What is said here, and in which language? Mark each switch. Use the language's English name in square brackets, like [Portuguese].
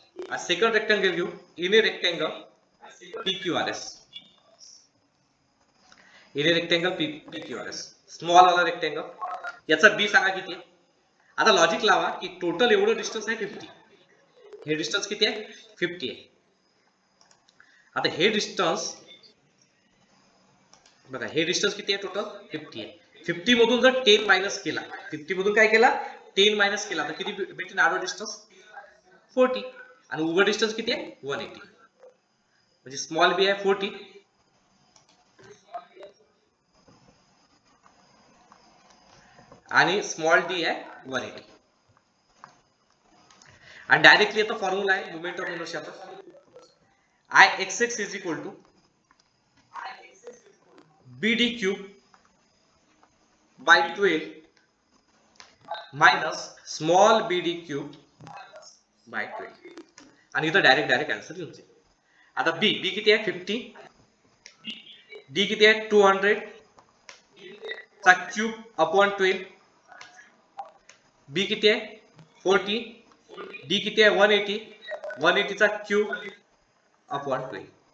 [English] second rectangle [Marathi] घेऊ, [English] In a rectangle P Q R S, in a rectangle P Q R S small वाला rectangle. [Marathi] याचा बी सांगा किती आहे. आता लॉजिक लावा की टोटल एवढं डिस्टन्स आहे 50, हे डिस्टन्स किती आहे? 50 आहे. आता हे डिस्टन्स बघा, हे डिस्टन्स किती आहे टोटल? 50 आहे. 50 मधून जर 10 मायनस केला, 50 मधून काय केला? 10 मायनस केला, तर किती भेटेल आडवं डिस्टन्स? 40. आणि उभं डिस्टन्स किती आहे? 180. म्हणजे स्मॉल बी आहे 40 आणि स्मॉल डी आहे 180. आणि डायरेक्टली आता फॉर्म्युला आहे moment of inertia. [English] I X X is equal to B D cube by 12 minus small B D cube by 12. [Marathi] आणि इथं डायरेक्ट डायरेक्ट आन्सर लिहून जाईल. आता बी बी किती आहे? 50. डी किती आहे? 200 चा क्यूब अपॉन 12. बी किती आहे? 40. डी किती आहे? 180. 180 चा क्यूब अपॉन 12.